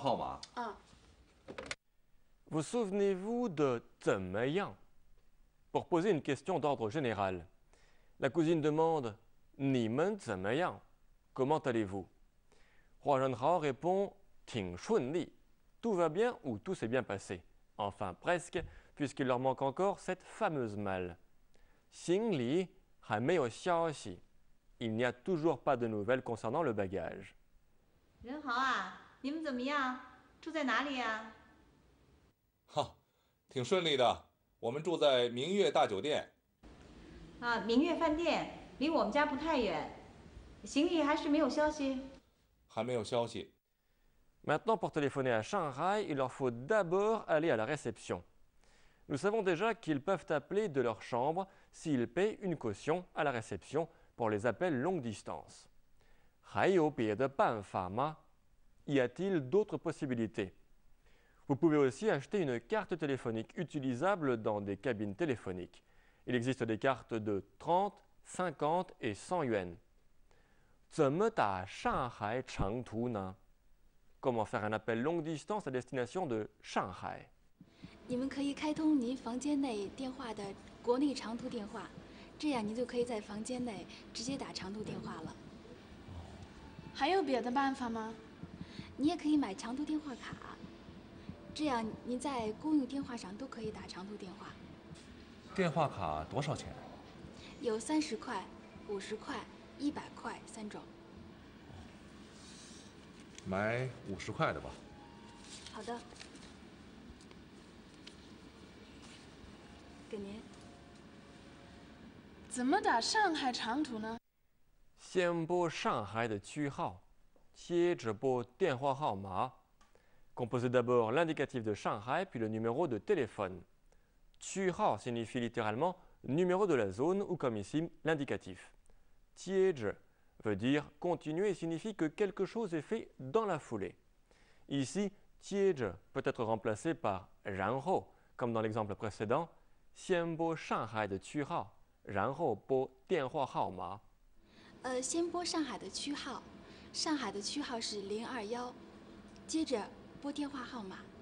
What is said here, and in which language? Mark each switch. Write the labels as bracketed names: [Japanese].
[Chinese] 咱们应该给表姐和上海的叔叔打个电话。哦，我也正想着这件事呢。不知道咱们行李有没有消息。正好打电话问问表姐。用咱们房间的电话就可以打室内电话。先拨零，然后拨电话号码。啊。 [French] Vous souvenez-vous de 怎么样? Pour poser une question d'ordre général, la cousine demande [Chinese] 你们怎么样? [French] Comment allez-vous? Hua Zhenhao répond « [Chinese] Ting shun li [French] ». Tout va bien ou tout s'est bien passé. Enfin, presque, puisqu'il leur manque encore cette fameuse malle. [Chinese] Xing li hai mei you xiao xi. [French] Il n'y a toujours pas de nouvelles concernant le bagage. [Chinese] Renhao, ni men zen me yang? Zhu zai na li ya? Ha, 挺顺利的，我们住在明月大酒店。啊，明月饭店离我们家不太远，行李还是没有消息。还没有消息。 [French] Maintenant, pour téléphoner à Shanghai, il leur faut d'abord aller à la réception. Nous savons déjà qu'ils peuvent appeler de leur chambre s'ils paient une caution à la réception pour les appels longue distance. [Chinese] 还有别的办法吗? [French] Y a-t-il d'autres possibilités? Vous pouvez aussi acheter une carte téléphonique utilisable dans des cabines téléphoniques. Il existe des cartes de 30, 50 et 100 yuans. [Chinese] 怎么打上海长途呢? [French] Comment faire un appel longue distance à destination de Shanghai? [Chinese] 你们可以开通您房间内电话的国内长途电话，这样您就可以在房间内直接打长途电话了。还有别的办法吗？你也可以买长途电话卡，这样您在公用电话上都可以打长途电话。电话卡多少钱？有30块、50块、100块三种。买50块的吧。好的。给您，怎么打上海长途呢？先拨上海的区号，接着拨电话号码。 [French] Composez d'abord l'indicatif de Shanghai, puis le numéro de téléphone. 区号 signifie littéralement numéro de la zone ou comme ici l'indicatif. 接着 veut dire continuer et signifie que quelque chose est fait dans la foulée. Ici, 接着peut être remplacé par 然后, comme dans l'exemple précédent. [Chinese] 先拨上海的区号，然后拨电话号码。先拨上海的区号，上海的区号是021，接着拨电话号码。